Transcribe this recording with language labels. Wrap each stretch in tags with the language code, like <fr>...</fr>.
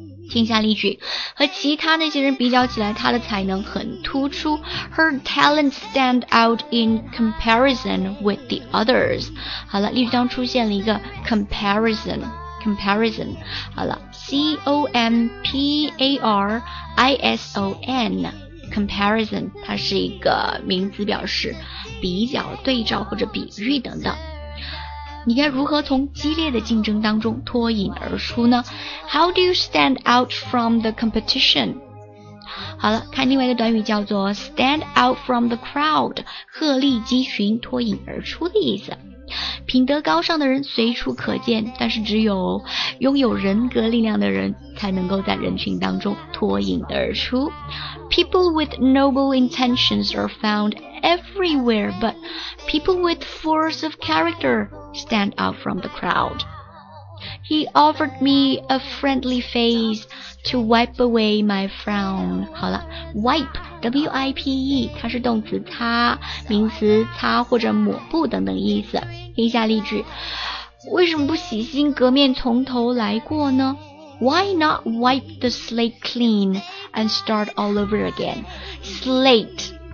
<zh>听下例句，和其他那些人比较起来，她的才能很突出。</zh> <en>Her talent stand out in comparison with the others.</en> <zh>好了，例句当中出现了一个 comparison, comparison. 好了， C-O-M-P-A-R-I-S-O-N,comparison, 它是一个名词，表示比较、对照或者比喻等等。你该如何从激烈的竞争当中脱颖而出呢？</zh> <en>How do you stand out from the competition?</en> <zh>好了，看另外一个短语叫做</zh> <en>stand out from the crowd,</en> <zh>鹤立鸡群、脱颖而出的意思。品德高尚的人随处可见，但是只有拥有人格力量的人才能够在人群当中脱颖而出。</zh> <en>People with noble intentions are found everywhere, but people with force of character stand out from the crowd. He offered me a friendly face to wipe away my frown.</en> <zh>好了， wipe, W-I-P-E, 它是动词擦、名词擦或者抹布等等意思。听一下例句，为什么不洗心革面从头来过呢？</zh> <en>Why not wipe the slate clean and start all over again? Slate,</en>